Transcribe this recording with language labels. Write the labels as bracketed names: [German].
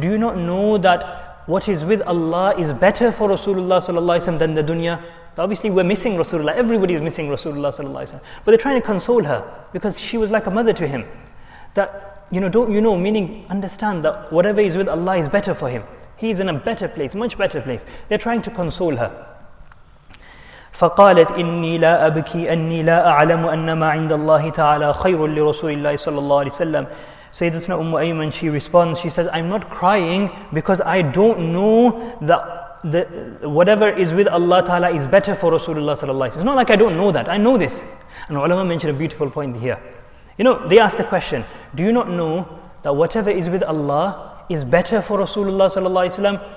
[English] Do you not know that what is with Allah is better for Rasulullah [Arabic] صلى الله عليه وسلم [English] than the dunya? Obviously we're missing Rasulullah, everybody is missing Rasulullah [Arabic] صلى الله عليه وسلم. [English] But they're trying to console her, because she was like a mother to him. That, don't you know, meaning understand that whatever is with Allah is better for him. He is in a better place, much better place. They're trying to console her. [Arabic] فقالت إني لا أبكي أني لا أعلم أن ما عند الله تعالى خير لرسول الله صلى الله عليه وسلم. [English] سيدتنا أم أيمن, she responds, she says, I'm not crying because I don't know that whatever is with Allah تعالى is better for [Arabic] رسول الله صلى الله عليه وسلم. [English] It's not like I don't know that, I know this. And ulama mentioned a beautiful point here. You know, they asked the question, do you not know that whatever is with Allah is better for [Arabic] رسول الله صلى الله عليه وسلم?